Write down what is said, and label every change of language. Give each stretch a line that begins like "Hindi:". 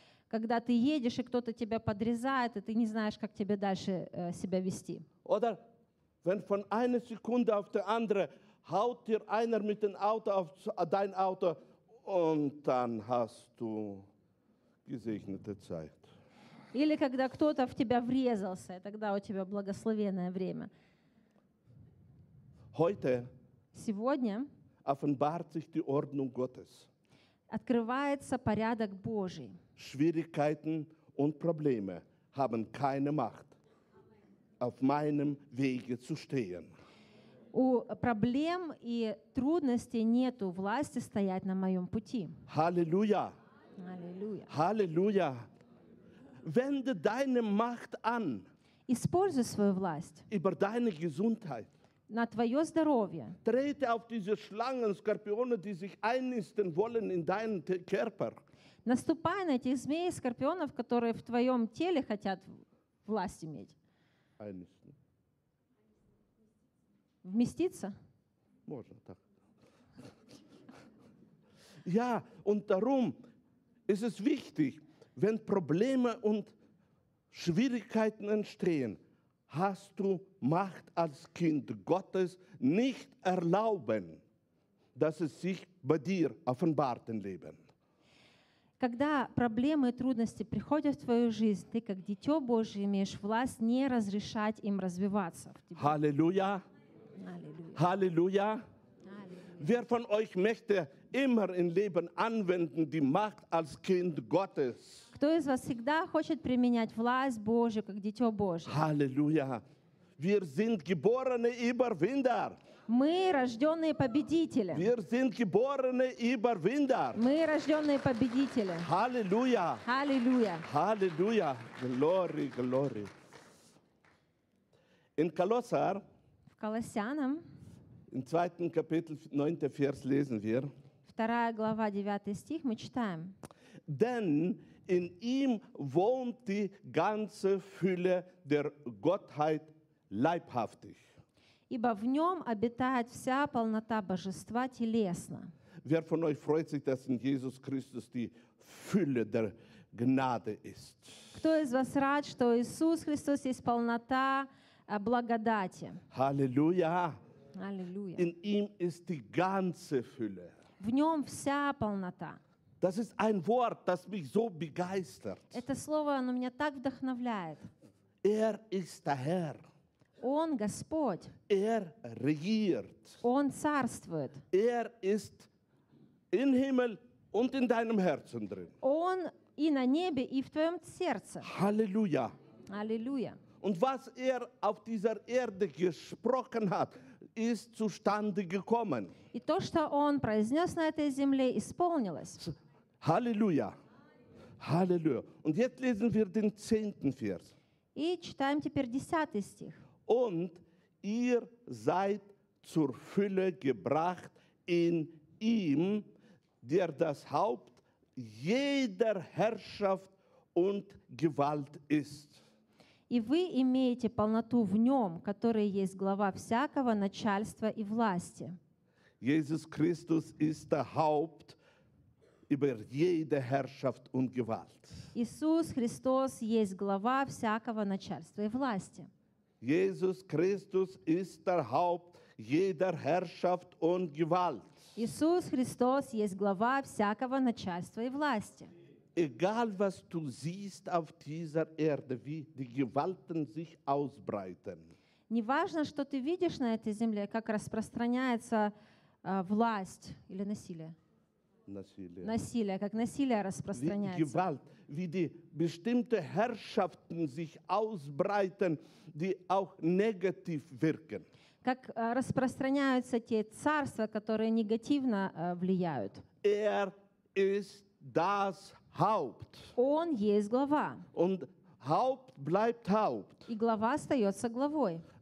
Russian: Когда ты едешь, и кто-то тебя подрезает, и ты не знаешь, как тебе дальше себя вести.
German: Oder wenn von einer Sekunde auf die andere haut dir einer mit dem Auto auf dein Auto und dann hast du gesegnete Zeit.
Russian: Или когда кто-то в тебя врезался, и тогда у тебя благословенное время.
German: Heute
Russian: сегодня
German: offenbart sich die Ordnung Gottes.
Russian: Открывается порядок Божий.
German: Schwierigkeiten und Probleme haben keine Macht, auf meinem Wege zu stehen.
Russian: У проблем и трудностей нету власти стоять на моем пути. Halleluja. Halleluja.
German: Halleluja. Wende deine Macht an.
Russian: Используй свою власть.
German: Über deine Gesundheit.
Russian: На твое здоровье.
German: Trete auf diese Schlangen, Skorpione, die sich einnisten wollen in deinen Körper.
Russian: Наступай на этих змей и скорпионов, которые в твоем теле хотят власть иметь.
German: Einnisten.
Russian: Вместиться? Можно так.
German: Ja, und darum ist es wichtig, wenn Probleme und Schwierigkeiten entstehen, hast du Macht als Kind Gottes nicht erlauben, dass es sich bei dir offenbart im Leben.
Russian: Когда проблемы и трудности приходят в твою жизнь, ты как дитё Божие имеешь власть не разрешать им развиваться в тебе. Halleluja. Halleluja. Halleluja.
German: Wer von euch möchte immer im Leben anwenden die Macht als Kind Gottes?
Russian: Кто из вас всегда хочет применять власть Божью как дитё Божье? Halleluja.
German: Wir sind geborene Überwinder.
Russian: Мы рождённые победители.
German: Wir sind geborene Überwinder.
Russian: Мы рождённые победители. Halleluja. Halleluja.
English: Halleluja. Glory, glory.
German: In Kolosser.
Russian: Колоссянам.
German: In 2. Kapitel 9. Vers lesen wir.
Russian: 2. глава 9. стих мы читаем.
German: Denn in ihm wohnt die ganze Fülle der Gottheit leibhaftig.
Russian: Ибо в нём обитает вся полнота божества телесно.
German: Wer von euch freut sich, dass in Jesus Christus die Fülle der Gnade ist?
Russian: Кто из вас рад, что Иисус Христос есть полнота благодати. Halleluja. Halleluja.
German: In ihm ist die ganze Fülle.
Russian: В нём вся полнота.
German: Das ist ein Wort, das mich so begeistert.
Russian: Это слово, оно меня так вдохновляет.
German: Er ist der Herr.
Russian: Он Господь.
German: Er regiert.
Russian: Он царствует.
German: Er ist im Himmel und in deinem Herzen drin.
Russian: Он и на небе, и в твоём сердце. Halleluja. Halleluja.
German: Und was er auf dieser Erde gesprochen hat, ist zustande gekommen.
Russian: И то, что он произнёс на этой земле, исполнилось.
German: Halleluja. Halleluja. Und jetzt lesen wir den 10. Vers.
Russian: И читаем теперь 10. стих.
German: Und ihr seid zur Fülle gebracht in ihm, der das Haupt jeder Herrschaft und Gewalt ist.
Russian: И вы имеете полноту в нём, который есть глава всякого начальства и власти.
German: Jesus Christus ist der Haupt über jede Herrschaft und Gewalt.
Russian: Иисус Христос есть глава всякого начальства и власти.
German: Jesus Christus ist der Haupt jeder Herrschaft und Gewalt.
Russian: Иисус Христос есть глава всякого начальства и власти.
German: Egal was du siehst auf dieser Erde, wie die Gewalten sich ausbreiten.
Russian: Неважно, что ты видишь на этой земле, как распространяется власть или насилие. Насилие. Насилие, как насилие распространяется.
German: Wie Gewalt, wie die bestimmte Herrschaften sich ausbreiten, die auch negativ wirken.
Russian: Как распространяются те царства, которые негативно влияют.
German: Er ist das Haupt.
Russian: Он есть глава.
German: Und Haupt bleibt Haupt.
Russian: И глава остается главой.